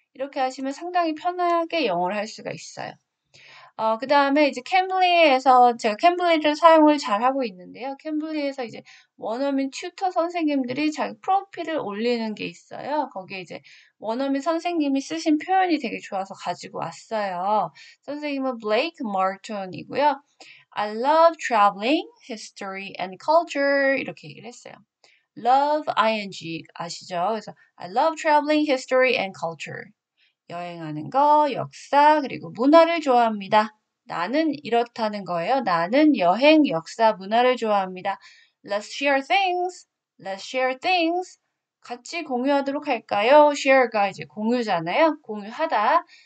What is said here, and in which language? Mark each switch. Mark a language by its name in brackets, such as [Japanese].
[Korean] 이렇게 하시면 상당히 편하게 영어를 할 수가 있어요. 그 다음에 이제 캠블리에서 제가 캠블리를 사용을 잘 하고 있는데요. 캠블리에서 이제 원어민 튜터 선생님들이 자기 프로필을 올리는 게 있어요. 거기에 이제 원어민 선생님이 쓰신 표현이 되게 좋아서 가지고 왔어요. 선생님은 블레이크 마르톤이고요. [English] I love traveling, history and culture [Korean] 이렇게 얘기를 했어요. [English] Love ing [Korean] 아시죠? 그래서 [English] I love traveling, history and culture. [Korean] 여행하는 거, 역사, 그리고 문화를 좋아합니다. 나는 이렇다는 거예요. 나는 여행, 역사, 문화를 좋아합니다. [English] Let's share things. Let's share things. [Korean] 같이 공유하도록 할까요? Share가 이제 공유잖아요. 공유하다.